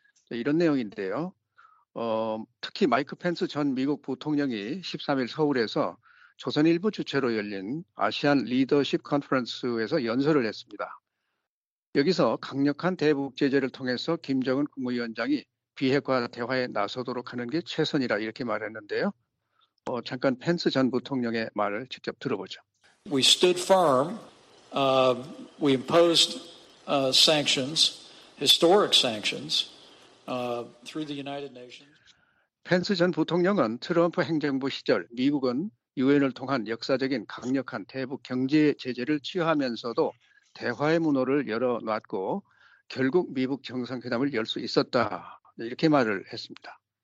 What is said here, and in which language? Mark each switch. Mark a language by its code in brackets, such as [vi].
[ko] 이런 내용인데요. 특히 마이크 펜스 전 미국 부통령이 13일 서울에서 조선일보 주최로 열린 아시안 리더십 컨퍼런스에서 연설을 했습니다. 여기서 강력한 대북 제재를 통해서 김정은 국무위원장이 비핵화 대화에 나서도록 하는 게 최선이라 이렇게 말했는데요. 잠깐 펜스 전 부통령의 말을 직접 들어보죠. [en] We stood firm. We imposed sanctions, historic sanctions. Through the United Nations. [ko] 펜스 전 부통령은 트럼프 행정부 시절 미국은 유엔을 통한 역사적인 강력한 대북 경제 제재를 취하하면서도 대화의 문호를 열어놨고 결국 미국 정상회담을 열 수 있었다 이렇게 말을 했습니다.